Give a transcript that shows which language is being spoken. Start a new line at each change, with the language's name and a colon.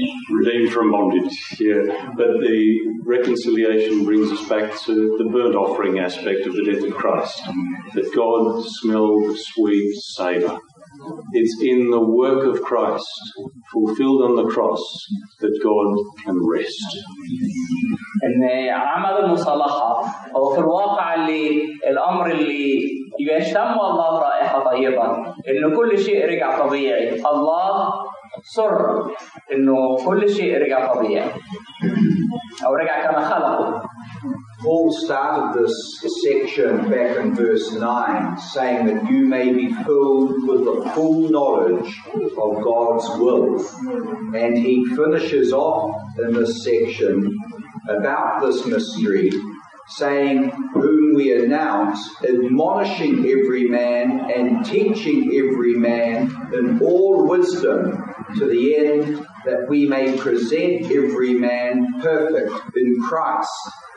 English: Redeemed from bondage, yeah. But the reconciliation brings us back to the burnt offering aspect of the death of Christ. That God smelled sweet savour. It's in the work of Christ, fulfilled on the cross, that God can rest.
Arabic: إن عمل المصالحة هو في الواقع اللي الأمر اللي يشم الله رائحة طيبة، إن كل شيء رجع طبيعي. الله سر إنه كل شيء رجع طبيعي أو رجع كما خلقه.
English: Paul started this section back in verse 9, saying that you may be filled with the full knowledge of God's will. And he finishes off in this section about this mystery, saying, whom we announce, admonishing every man and teaching every man in all wisdom, to the end that we may present every man perfect in Christ.